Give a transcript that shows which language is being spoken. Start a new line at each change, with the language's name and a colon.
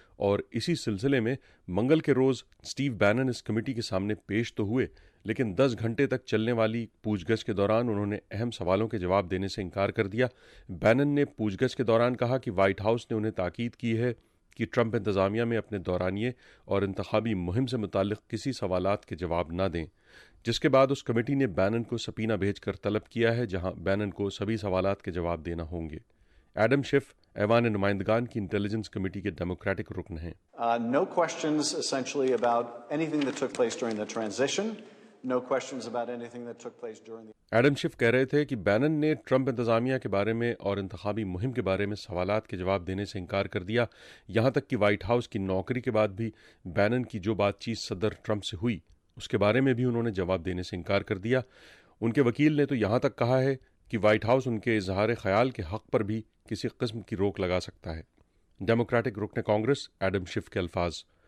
Urdu: اور اسی سلسلے میں منگل کے روز سٹیو بینن اس کمیٹی کے سامنے پیش تو ہوئے، لیکن 10 گھنٹے تک چلنے والی پوچھ گچھ کے دوران انہوں نے اہم سوالوں کے جواب دینے سے انکار کر دیا۔ بینن نے پوچھ گچھ کے دوران کہا کہ وائٹ ہاؤس نے انہیں تاکید کی ہے کہ ٹرمپ انتظامیہ میں اپنے دورانیے اور انتخابی مہم سے متعلق کسی سوالات کے جواب نہ دیں، جس کے بعد اس کمیٹی نے بینن کو سپینہ بھیج کر طلب کیا ہے، جہاں بینن کو سبھی سوالات کے جواب دینا ہوں گے۔ ایڈم شیف ایوان نمائندگان کی انٹیلیجنس کمیٹی کے ڈیموکریٹک رکن ہیں۔
English: No questions essentially about anything that took place during the transition. No questions about anything that took place during the.
Urdu: Adam chef کہہ رہے تھے کہ بینن نے ٹرمپ انتظامیہ کے بارے میں اور انتخابی مہم کے بارے میں سوالات کے جواب دینے سے انکار کر دیا، یہاں تک کہ وائٹ ہاؤس کی نوکری کے بعد بھی بینن کی جو بات چیت صدر ٹرمپ سے ہوئی اس کے بارے میں بھی انہوں نے جواب دینے سے انکار کر دیا۔ ان کے وکیل نے تو یہاں تک کہا ہے کہ وائٹ ہاؤس ان کے اظہار خیال کے حق پر بھی کسی قسم کی روک لگا سکتا ہے۔ ڈیموکریٹک رکن کانگریس ایڈم شیف کے الفاظ۔